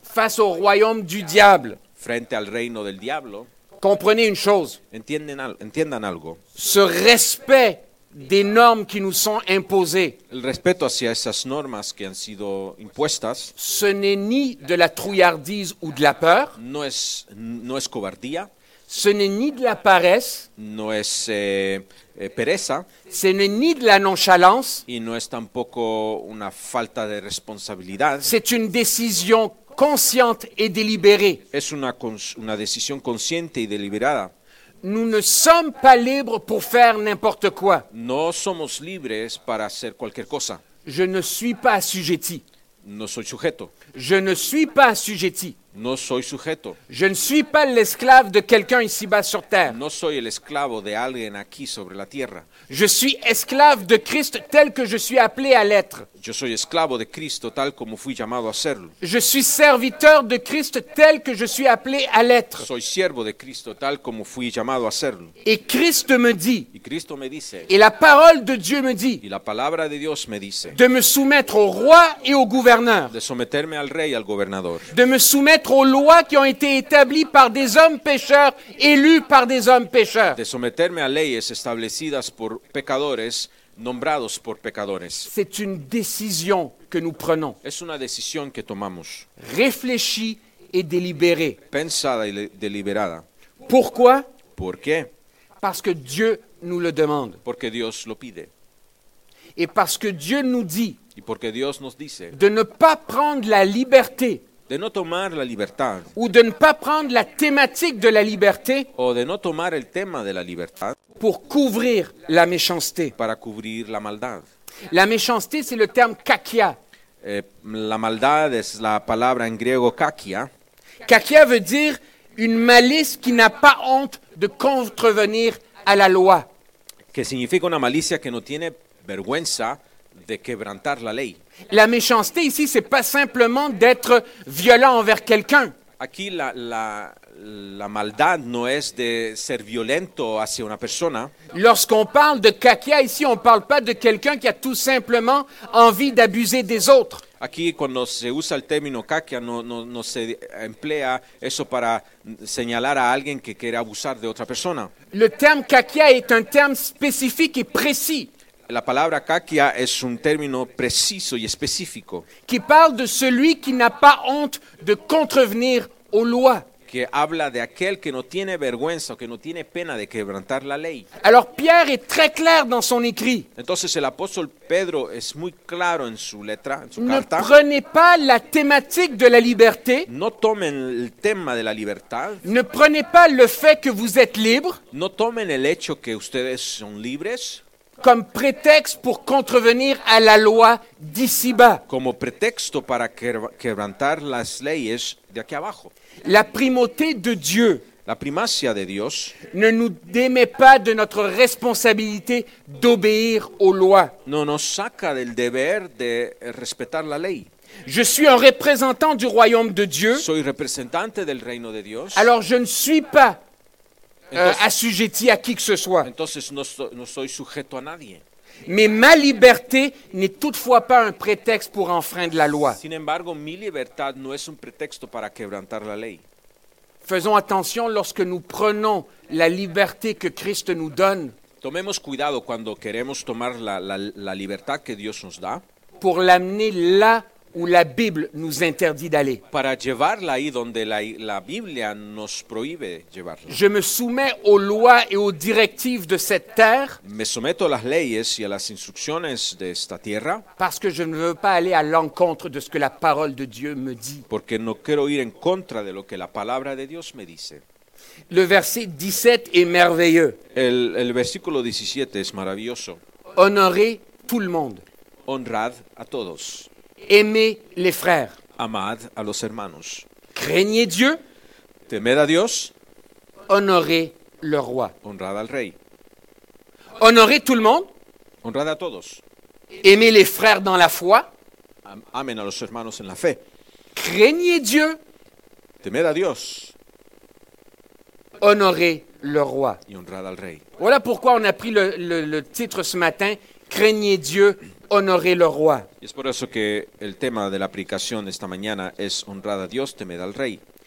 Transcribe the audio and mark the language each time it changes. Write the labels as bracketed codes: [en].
[fr] Face au royaume du diable. [es] Frente al reino del diablo. [fr] Comprenez une chose. [es] Entiendan algo. [fr] Ce respect des normes qui nous sont imposées. [es] El respeto hacia esas normas que han sido impuestas. [fr] Ce n'est ni de la trouillardise ou de la peur. [es] No es cobardía. [fr] Ce n'est ni de la paresse. [es] No es pereza. [fr] Ce n'est ni de la nonchalance. [es] Y no es tampoco una falta de responsabilidad. [fr] C'est une décision consciente et délibérée. [es] Es una decisión consciente y deliberada. [fr] Nous ne sommes pas libres pour faire n'importe quoi. [es] No somos libres para hacer cualquier cosa. [fr] Je ne suis pas assujetti. [es] No soy sujeto. [fr] Je ne suis pas assujetti. [es] No soy sujeto. [fr] Je ne suis pas l'esclave de quelqu'un ici-bas sur terre. [es] No soy el esclavo de alguien aquí sobre la tierra. [fr] Je suis esclave de Christ tel que je suis appelé à l'être. [es] Yo soy esclavo de Cristo tal como fui llamado a serlo. [fr] Je suis serviteur de Christ tel que je suis appelé à l'être. [es] Soy siervo de Cristo tal como fui llamado a serlo. [fr] Et Christ me dit. [es] Y Cristo me dice. [fr] Et la parole de Dieu me dit. [es] Y la palabra de Dios me dice. [fr] De me soumettre au roi et au gouverneur. [es] De someterme al rey y al gobernador. [fr] De me soumettre aux lois qui ont été établies par des hommes pécheurs, élus par des hommes pécheurs. [es] De someterme a leyes establecidas por pecadores. Nombrados por pecadores. [fr] C'est une décision que nous prenons. [es] Es una decisión que tomamos. [fr] Réfléchie et délibérée. [es] Pensada y deliberada. [fr] Pourquoi? [es] ¿Por qué? [fr] Parce que Dieu nous le demande. [es] Porque Dios lo pide. [fr] Et parce que Dieu nous dit. [es] Y porque Dios nos dice. [fr] De ne pas prendre la liberté. [es] De no tomar la libertad. [fr] Ou de ne pas prendre la thématique de la liberté. [es] O de no tomar el tema de la libertad. [fr] Pour couvrir la méchanceté. [es] Para cubrir la maldad. [fr] La méchanceté, c'est le terme kakia. [es] La maldad es la palabra en griego kakia. [fr] Kakia veut dire une malice qui n'a pas honte de contrevenir à la loi. [es] Que significa una malicia que no tiene vergüenza de quebrantar la ley. [fr] La méchanceté ici, c'est pas simplement d'être violent envers quelqu'un. [es] Aquí la maldad no es de ser violento hacia una persona. [fr] Lorsqu'on parle de caquia ici, on parle pas de quelqu'un qui a tout simplement envie d'abuser des autres. [es] Aquí cuando se usa el término caquia, no se emplea eso para señalar a alguien que quiere abusar de otra persona. [fr] Le terme caquia est un terme spécifique et précis. [es] La palabra caquia es un término preciso y específico. [fr] Qui parle de celui qui n'a pas honte de contrevenir aux lois. [es] Que habla de aquel que no tiene vergüenza o que no tiene pena de quebrantar la ley. [fr] Alors Pierre est très clair dans son écrit. [es] Entonces el apóstol Pedro es muy claro en su letra, en su ne carta. [fr] Ne prenez pas la thématique de la liberté. [es] No tomen el tema de la libertad. [fr] Ne prenez pas le fait que vous êtes libre. [es] No tomen el hecho que ustedes son libres. [fr] Comme prétexte pour contrevenir à la loi d'ici-bas. [es] Como pretexto para quebrantar las leyes de aquí abajo. [fr] La primauté de Dieu. [es] La primacia de Dios. [fr] Ne nous démet pas de notre responsabilité d'obéir aux lois. [es] No nos saca del deber de respetar la ley. [fr] Je suis un représentant du royaume de Dieu. [es] Soy representante del reino de Dios. [fr] Alors je ne suis pas. [es] Entonces, [fr] assujetti à qui que ce soit. [es] Entonces no soy sujeto a nadie. [fr] Mais ma liberté n'est toutefois pas un prétexte pour enfreindre la loi. [es] Sin embargo, mi libertad no es un pretexto para quebrantar la ley. [fr] Faisons attention lorsque nous prenons la liberté que Christ nous donne. [es] Tomemos cuidado cuando queremos tomar la libertad que Dios nos da. [fr] Pour l'amener là où la Bible nous interdit d'aller. [es] Para llevarla ahí donde la Biblia nos prohíbe llevarla. [fr] Je me soumets aux lois et aux directives de cette terre. [es] Me someto a las leyes y a las instrucciones de esta tierra. [fr] Parce que je ne veux pas aller à l'encontre de ce que la parole de Dieu me dit. [es] Porque no quiero ir en contra de lo que la palabra de Dios me dice. [fr] Le verset 17 est merveilleux. [es] El versículo 17 es maravilloso. [fr] Honorez tout le monde. [es] Honrad a todos. [fr] Aimez les frères. [es] Amad a los hermanos. [fr] Craignez Dieu. [es] Temed a Dios. [fr] Honorez le roi. [es] Honrad al rey. [fr] Honorez tout le monde. [es] Honrad a todos. [fr] Aimez les frères dans la foi. [es] Amen a los hermanos en la fe. [fr] Craignez Dieu. [es] Temed a Dios. [fr] Honorez le roi. [es] Y honrad al rey. [fr] Voilà pourquoi on a pris le titre ce matin. Craignez Dieu. Honorer le roi. [es] Y es por eso que el tema de la aplicación esta mañana es honrar a Dios, temer al rey.